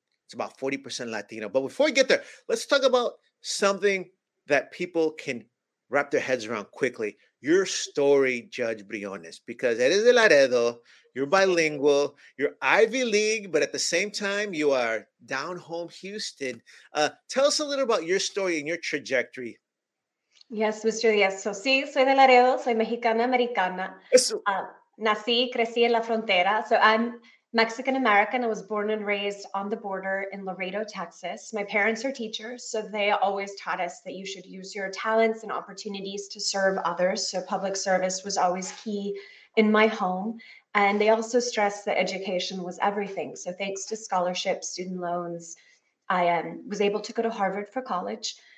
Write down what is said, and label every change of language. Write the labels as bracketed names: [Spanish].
[English] It's about 40% Latino. But before we get there, let's talk about something that people can wrap their heads around quickly. Your story, Judge Briones, because [Spanish] eres de Laredo, [English] you're bilingual, you're Ivy League, but at the same time, you are down home Houston. Tell us a little about your story and your trajectory. Yes, Mr. Diaz. [Spanish] So, sí, soy de Laredo, soy Mexicana-Americana. Nací, crecí en la frontera. [English] So I'm Mexican-American. I was born and raised on the border in Laredo, Texas. My parents are teachers, so they always taught us that you should use your talents and opportunities to serve others. So public service was always key in my home. And they also stressed that education was everything. So thanks to scholarships, student loans, I was able to go to Harvard for college.